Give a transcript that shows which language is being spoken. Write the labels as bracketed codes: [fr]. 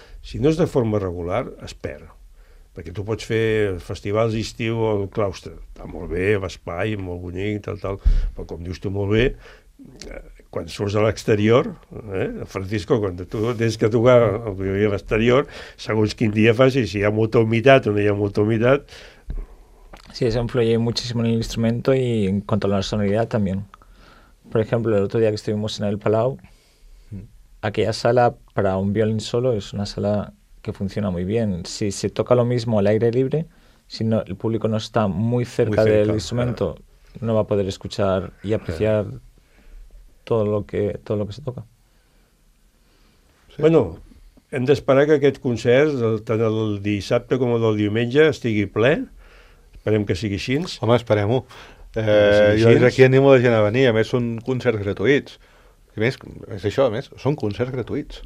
[ca] Si no és de forma regular, es perd, perquè tu pots fer festivals d'estiu al claustre, està molt bé, l'espai, molt bonic, tal, tal, però com dius tu molt bé, quan surts a l'exterior, Francisco, quan tu tens que tocar a l'exterior, segons quin dia faci, si hi ha molta humitat o no hi ha molta humitat... [es] Sí, eso influye muchísimo en el instrumento y en cuanto a la sonoridad también. Por ejemplo, el otro día que estuvimos en el Palau, aquella sala para un violín solo es una sala que funciona muy bien. Si se toca lo mismo al aire libre, si no, el público no está muy cerca del instrumento, no va a poder escuchar y apreciar todo lo que se toca. Sí. [ca] Bueno, hem d'esperar que aquest concert, tant el dissabte com el diumenge, estigui ple. Esperem que sigui així. Home, esperem-ho. Jo des d'aquí animo la gent a venir, a més són concerts gratuïts, a més, és això, a més, són concerts gratuïts.